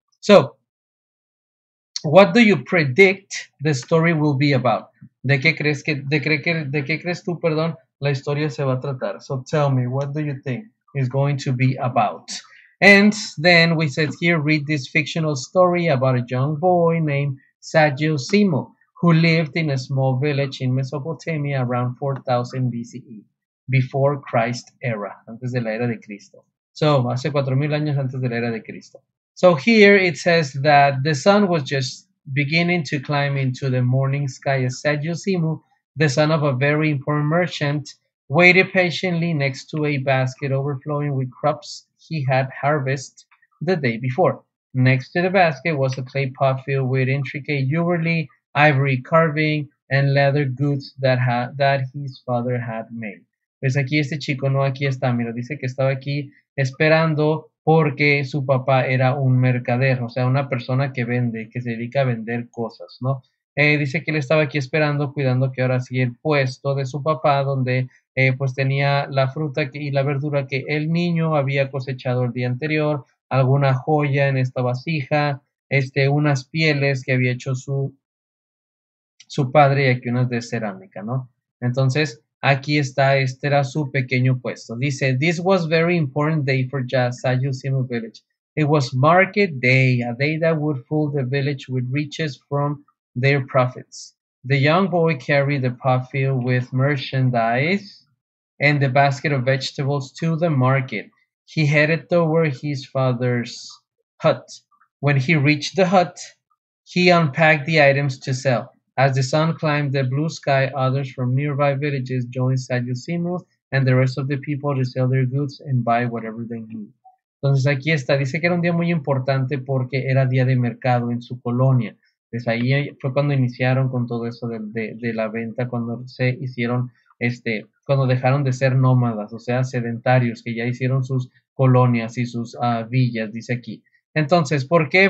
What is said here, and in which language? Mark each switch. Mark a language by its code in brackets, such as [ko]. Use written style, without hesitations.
[en] So, what do you predict the story will be about? [es] ¿De qué crees tú, la historia se va a tratar? [en] So, tell me, what do you think is going to be about? And then we said here, read this fictional story about a young boy named Sagittal-Simus, who lived in a small village in Mesopotamia around 4000 BCE, before Christ era, [es] antes de la era de Cristo. [en] So, [es] hace 4000 años antes de la era de Cristo. [en] So here it says that the sun was just beginning to climb into the morning sky as Sagittal-Simus, the son of a very important merchant, waited patiently next to a basket overflowing with crops he had harvested the day before. Next to the basket was a clay pot filled with intricate jewelry, ivory carving and leather goods that his father had made. [es] Pues aquí este chico no aquí está, mira, dice que estaba aquí esperando porque su papá era un mercader, o sea, una persona que vende, que se dedica a vender cosas, ¿no? Dice que él estaba aquí esperando, cuidando que ahora sí el puesto de su papá, donde pues tenía la fruta y la verdura que el niño había cosechado el día anterior, alguna joya en esta vasija, unas pieles que había hecho su padre, y aquí unas de cerámica, ¿no? Entonces, aquí está, este era su pequeño puesto. [en] Dice, this was very important day for Sagittal-Simus village. It was market day, a day that would fill the village with riches from their profits. The young boy carried the pot filled with merchandise and the basket of vegetables to the market. He headed toward his father's hut. When he reached the hut, he unpacked the items to sell. As the sun climbed the blue sky, others from nearby villages joined Sagittal-Simus and the rest of the people to sell their goods and buy whatever they need. [es] Entonces aquí está, dice que era un día muy importante porque era día de mercado en su colonia. Desde ahí fue cuando iniciaron con todo eso de la venta, cuando se hicieron, cuando dejaron de ser nómadas, o sea, sedentarios, que ya hicieron sus colonias y sus villas, dice aquí. Entonces, ¿por qué?